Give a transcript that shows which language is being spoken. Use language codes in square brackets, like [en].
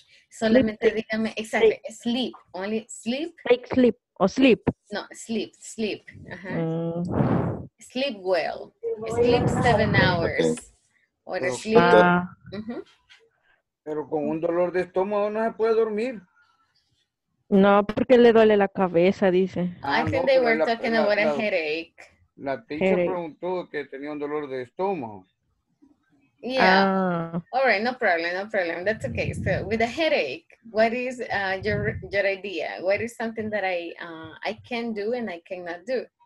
[es] Solamente dígame, [en] exactly, sleep. Only sleep. Take sleep. Or sleep. No, sleep, sleep. Uh-huh. Mm. Sleep well. Sleep 7 hours. Okay. Or sleep. [es] Pero con un dolor de estómago no se puede dormir. No, porque le duele la cabeza, dice. [en] I think they were talking about a headache. [es] La teacher preguntó que tenía un dolor de estómago. [en] Yeah. All right, no problem. That's okay. So with a headache, what is your idea? What is something that I can do and I cannot do?